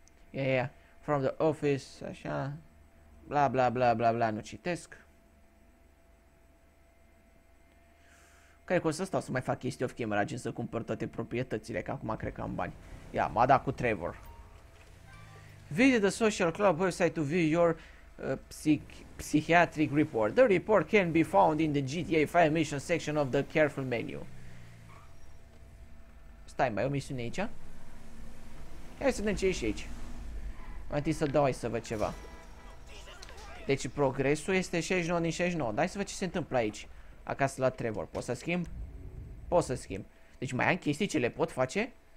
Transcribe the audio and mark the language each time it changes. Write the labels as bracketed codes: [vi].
[en] Yeah, yeah. From the office, așa. Bla, bla, bla, bla, bla, [ro] nu citesc. Cred că o să stau să mai fac chestii off-camera, gen să cumpăr toate proprietățile, că acum cred că am bani. Ia, m-a dat cu Trevor. [en] Visit the social club website to view your psychiatric report. The report can be found in the GTA 5 mission section of the careful menu. [ro] Stai, mai e o misiune aici? Hai să vedem ce e și aici. Mai întâi să dau aici să văd ceva. Deci progresul este 69 din 69. Dai să văd ce se întâmplă aici. Acasă la Trevor. Pot să schimb? Pot să schimb. Deci mai am chestii ce le pot face?